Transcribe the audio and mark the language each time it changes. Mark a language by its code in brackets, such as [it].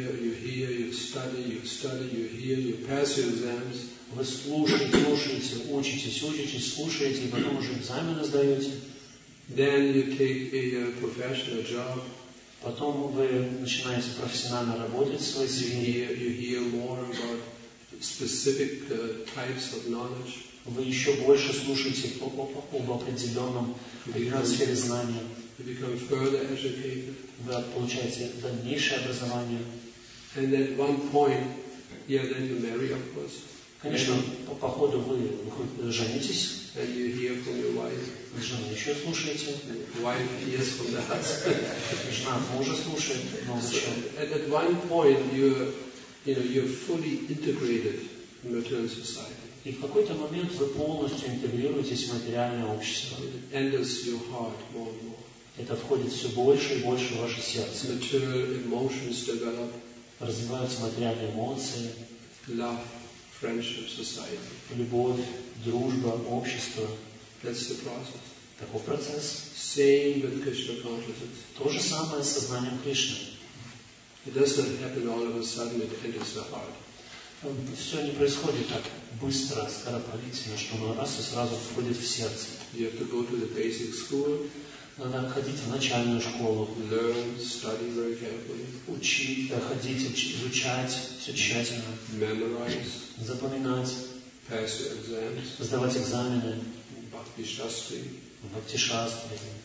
[en] you hear, you pass your exams. [ru] Вы слушаете, учитесь, слушаете, и потом уже экзамены сдаете. [en] Then you take a professional job. [ru] Потом вы начинаете профессионально работать в своей сфере. [en] You hear more about specific types of knowledge. [ru] Вы еще больше слушаете об определенном сфере знания. [en] You become further educated. [ru] Вы получаете дальнейшее образование. [en] And at one point, yeah, then you marry, of course. [ru] Конечно, по ходу вы женитесь. [en] And you hear from your wife. [ru] Вы жену еще слушаете. [en] Wife hears from the husband. [ru] Жена мужа слушает. Но зачем? [en] And at one point you're fully integrated in material society. [ru] И в какой-то момент вы полностью интегрируетесь в материальное общество. [en] It enters your heart more and more. [ru] Это входит все больше и больше в ваше сердце. [en] Material emotions develop. [ru] Развиваются материальные эмоции. [en] Love. Friendship, society. [ru] Любовь, дружба, общество. [en] That's the process. [ru] Такой процесс. [en] Same with Krishna consciousness. [ru] То же самое с сознанием Кришны. [en] It doesn't happen all of a sudden. It enters the heart. [ru] Все не происходит так быстро, скоропалительно, что оно раз и сразу входит в сердце. [en] You have to go to the basic school. [ru] Надо ходить в начальную школу. [en] Learn, study very carefully. [ru] Учить, ходить, изучать все тщательно. [en] Memorize. [ru] Запоминать. [en] Pass your exams. [ru] Сдавать экзамены. Бхакти-шастри. Бхакти-шастри.